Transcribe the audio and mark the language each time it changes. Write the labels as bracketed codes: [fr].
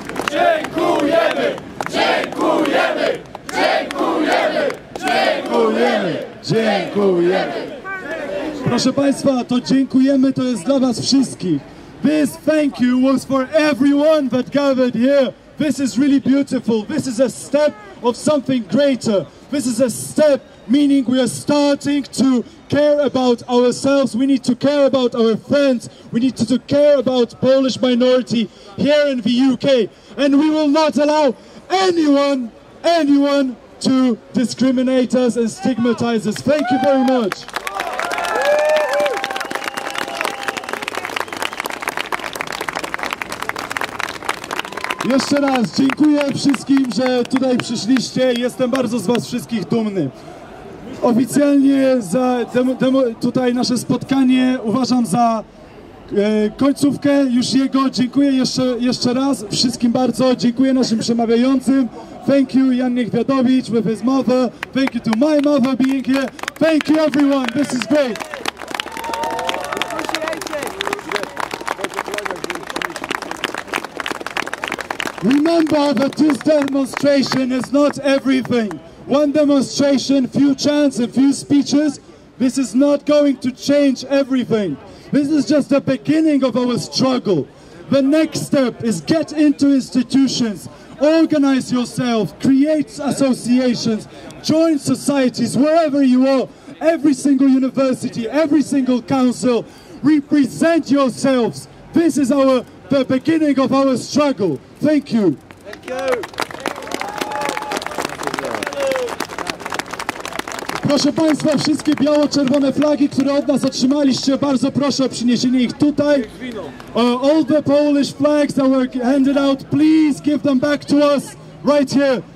[pl] Dziękujemy, dziękujemy, dziękujemy, dziękujemy, dziękujemy. Proszę Państwa, to dziękujemy, to jest dla was wszystkich. [en] This thank you was for everyone that gathered here. This is really beautiful. This is a step of something greater. This is a step meaning we are starting to care about ourselves. We need to care about our friends. We need to care about Polish minority here in the UK. And we will not allow anyone to discriminate us and stigmatize us. Thank you very much. [pl] Jeszcze raz dziękuję wszystkim, że tutaj przyszliście. Jestem bardzo z was wszystkich dumny. Oficjalnie za tutaj nasze spotkanie uważam za końcówkę już jego. Dziękuję jeszcze raz wszystkim bardzo. Dziękuję naszym przemawiającym. [en] Thank you Janne Gwiadowicz with his mother. Thank you to my mother being here. Thank you everyone. This is great. Remember that this demonstration is not everything. One demonstration, few chants, a few speeches, this is not going to change everything. This is just the beginning of our struggle. The next step is get into institutions, organize yourself, create associations, join societies, wherever you are, every single university, every single council, represent yourselves. This is the beginning of our struggle. Thank you. Thank you. [pl] Proszę Państwa, wszystkie biało-czerwone flagi, które od nas otrzymaliście, bardzo proszę o przyniesienie ich tutaj. [en] All the Polish flags that were handed out, please give them back to us right here.